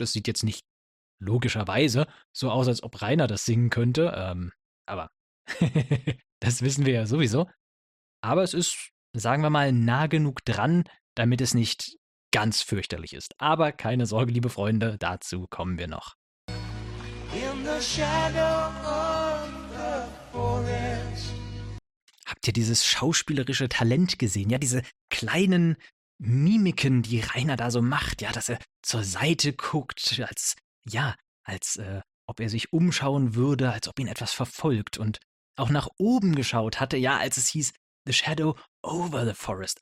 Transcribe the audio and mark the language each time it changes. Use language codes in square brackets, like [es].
[de] Es sieht jetzt nicht logischerweise so aus, als ob Rainer das singen könnte. Aber das wissen wir ja sowieso. Aber es ist, sagen wir mal, nah genug dran, damit es nicht ganz fürchterlich ist. Aber keine Sorge, liebe Freunde, dazu kommen wir noch. [en] In the shadow of the forest. [de] Habt ihr dieses schauspielerische Talent gesehen? Ja, diese kleinen Mimiken, die Rainer da so macht, ja, dass er zur Seite guckt, als ob er sich umschauen würde, als ob ihn etwas verfolgt und auch nach oben geschaut hatte, ja, als es hieß [en] The Shadow over the Forest.